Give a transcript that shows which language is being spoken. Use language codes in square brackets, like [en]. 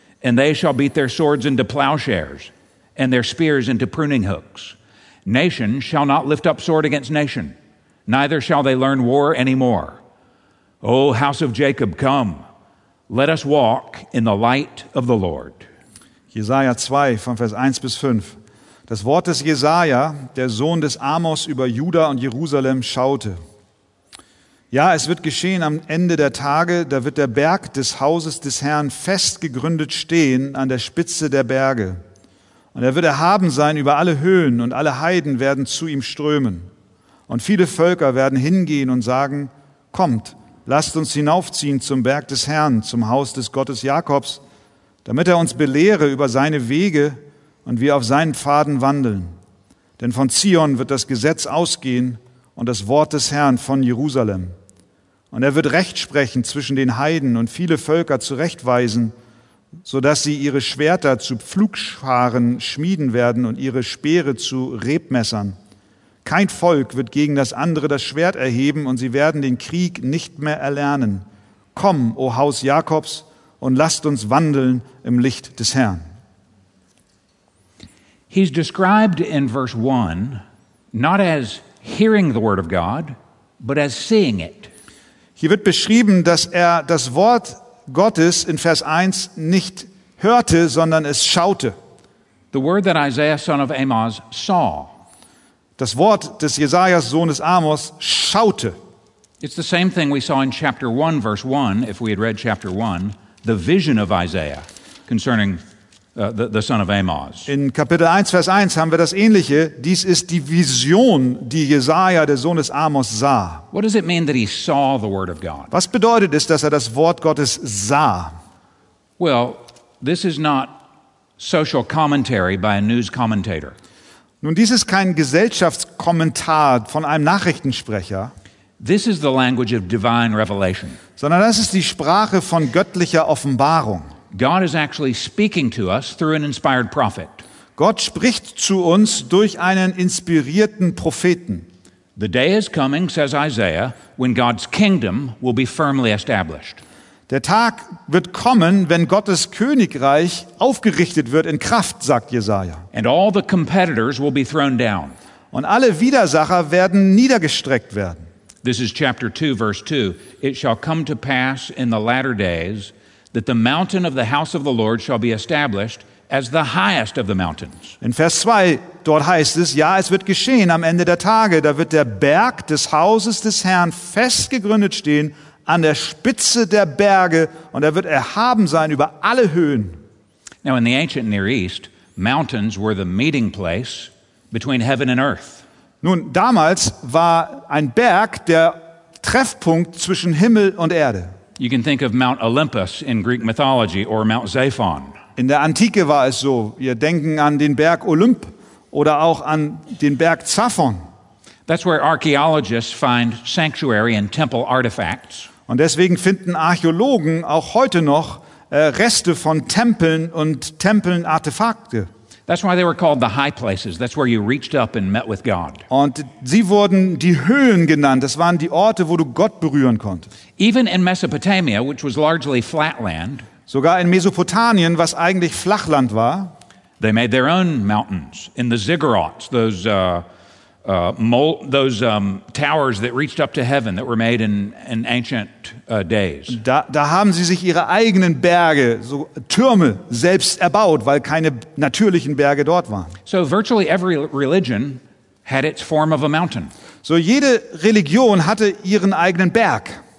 [en] And they shall beat their swords into plowshares, and their spears into pruning hooks. Nation shall not lift up sword against nation, neither shall they learn war any more. O house of Jacob, come. Let us walk in the light of the Lord. [de] Jesaja 2, von Vers 1 bis 5. Das Wort des Jesaja, der Sohn des Amos, über Juda und Jerusalem schaute. Ja, es wird geschehen am Ende der Tage, da wird der Berg des Hauses des Herrn fest gegründet stehen an der Spitze der Berge. Und er wird erhaben sein über alle Höhen, und alle Heiden werden zu ihm strömen. Und viele Völker werden hingehen und sagen, kommt, lasst uns hinaufziehen zum Berg des Herrn, zum Haus des Gottes Jakobs, damit er uns belehre über seine Wege und wir auf seinen Pfaden wandeln. Denn von Zion wird das Gesetz ausgehen und das Wort des Herrn von Jerusalem. Und er wird Recht sprechen zwischen den Heiden und viele Völker zurechtweisen, so dass sie ihre Schwerter zu Pflugscharen schmieden werden und ihre Speere zu Rebmessern. Kein Volk wird gegen das andere das Schwert erheben und sie werden den Krieg nicht mehr erlernen. Komm, o Haus Jakobs, und lasst uns wandeln im Licht des Herrn. [en] He's described in verse 1 not as hearing the word of God, but as seeing it. [de] Hier wird beschrieben, dass er das Wort Gottes in Vers 1 nicht hörte, sondern es schaute. [en] The word that Isaiah, son of Amoz, saw. [de] Das Wort des Jesajas Sohnes Amos schaute. [en] It's the same thing we saw in chapter 1 verse 1 if we had read chapter 1, the vision of Isaiah concerning the son of Amoz. [de] In Kapitel 1 Vers 1 haben wir das ähnliche, dies ist die Vision, die Jesaja der Sohn des Amos sah. [en] What does it mean that he saw the word of God? [de] Was bedeutet es, dass er das Wort Gottes sah? [en] Well, this is not social commentary by a news commentator. [de] Nun, dies ist kein Gesellschaftskommentar von einem Nachrichtensprecher. [en] This is the language of divine revelation. [de] Sondern das ist die Sprache von göttlicher Offenbarung. [en] God is actually speaking to us through an inspired prophet. [de] Gott spricht zu uns durch einen inspirierten Propheten. [en] The day is coming, says Isaiah, when God's kingdom will be firmly established. [de] Der Tag wird kommen, wenn Gottes Königreich aufgerichtet wird in Kraft, sagt Jesaja. [en] And all the competitors will be thrown down. [de] Und alle Widersacher werden niedergestreckt werden. [en] This is chapter 2, verse 2. It shall come to pass in the latter days that the mountain of the house of the Lord shall be established as the highest of the mountains. [de] In Vers 2, dort heißt es, ja, es wird geschehen am Ende der Tage, da wird der Berg des Hauses des Herrn fest gegründet stehen an der Spitze der Berge und er wird erhaben sein über alle Höhen. [en] Now in the ancient Near East, mountains were the meeting place between heaven and earth. [de] Nun, damals war ein Berg der Treffpunkt zwischen Himmel und Erde. [en] You can think of Mount Olympus in Greek mythology or Mount Zaphon. [de] In der Antike war es so. Wir denken an den Berg Olymp oder auch an den Berg Zaphon. [en] That's where archaeologists find sanctuary and temple artifacts. [de] Und deswegen finden Archäologen auch heute noch Reste von Tempeln und Tempelartefakte. [en] That's why they were called the high places. That's where you reached up and met with God. [de] Und sie wurden die Höhen genannt. Das waren die Orte, wo du Gott berühren konntest. [en] Even in Mesopotamia, which was largely flatland, [de] sogar in Mesopotamien, was eigentlich Flachland war, [en] they made their own mountains in the ziggurats, those towers that reached up to heaven that were made in ancient days. [de] Da haben sie sich ihre eigenen Berge, so Türme, selbst erbaut, weil keine natürlichen Berge dort waren. [en] So virtually every religion had its form of a mountain. [de] So jede Religion hatte ihren eigenen Berg.